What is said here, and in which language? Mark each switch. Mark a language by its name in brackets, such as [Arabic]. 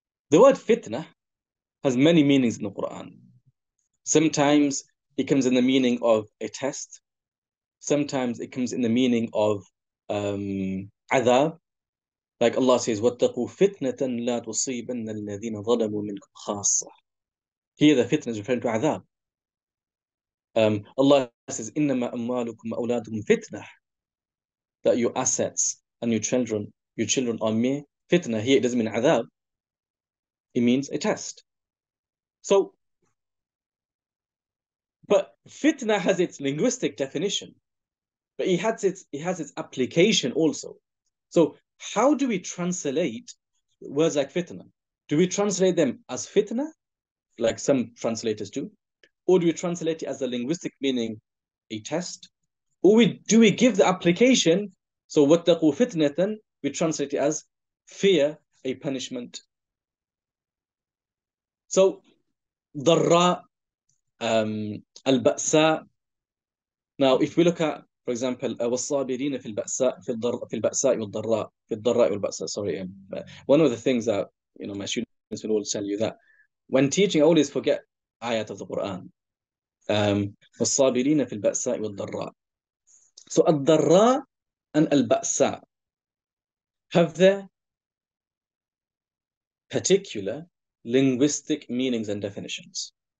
[English] The word fitna has many meanings in the Quran. Sometimes it comes in the meaning of a test. Sometimes it comes in the meaning of adab. Like Allah says, [Arabic] وَاتَّقُوا فِتْنَةً لَا تُصِيبَنَّ الَّذِينَ ظَلَمُوا مِنْكُمْ خَاصَّةً. [English] Here the fitna is referring to adab. Allah says, [Arabic] إِنَّمَا أَمْوَالُكُمْ أَوْلَادُكُمْ فِتْنَةً. [English] That your assets and your children are mere fitna. Here it doesn't mean adab. It means a test. So, but fitna has its linguistic definition, but it has its application also. So how do we translate words like fitna? Do we translate them as fitna, like some translators do? Or do we translate it as a linguistic meaning, a test? Or do we give the application, so [Arabic] وَاتَّقُوا فِتْنَةً, [English] we translate it as fear, a punishment. [Arabic] So ضَرَّى, الْبَأْسَى. [English] Now, if we look at, for example, [Arabic] وَالصَّابِرِينَ فِي الْبَأْسَاءِ فِي الْبَأْسَاءِ وَالضَّرَّاءِ فِي الضَّرَّاءِ وَالْبَأْسَاءِ. [English] Sorry, one of the things that, you know, my students will tell you that when teaching, I always forget ayat of the Qur'an. [Arabic] وَالصَّابِرِينَ فِي الْبَأْسَاءِ وَالضَّرَّاءِ. [English] So الضَّرَّاءِ and الْبَأْسَاءِ have their particular linguistic meanings and definitions.